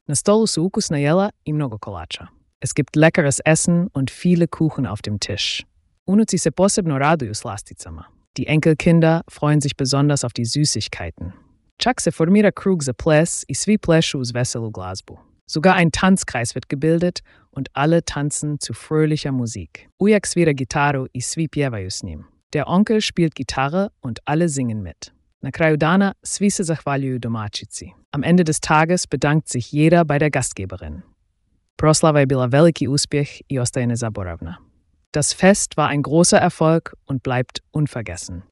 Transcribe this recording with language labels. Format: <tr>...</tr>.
<hr>Na stolu su ukusna jela i mnogo kolača.</hr> <de>Es gibt leckeres Essen und viele Kuchen auf dem Tisch.</de> <hr>Unuci se posebno raduju slasticama.</hr> <de>Die Enkelkinder freuen sich besonders auf die Süßigkeiten.</de> <hr>Čak se formira krug za ples i svi plešu uz veselu glazbu.</hr> <de>Sogar ein Tanzkreis wird gebildet und alle tanzen zu fröhlicher Musik.</de> <hr>Ujak svira gitaru i svi pjevaju s njim.</hr> <de>Der Onkel spielt Gitarre und alle singen mit.</de> <hr>Na kraju dana svi se zahvaljuju domačici.</hr> <de>Am Ende des Tages bedankt sich jeder bei der Gastgeberin.</de> <hr>Proslava je bila veliki uspjeh i ostaje nezaboravna.</hr> <de>Das Fest war ein großer Erfolg und bleibt unvergessen.</de>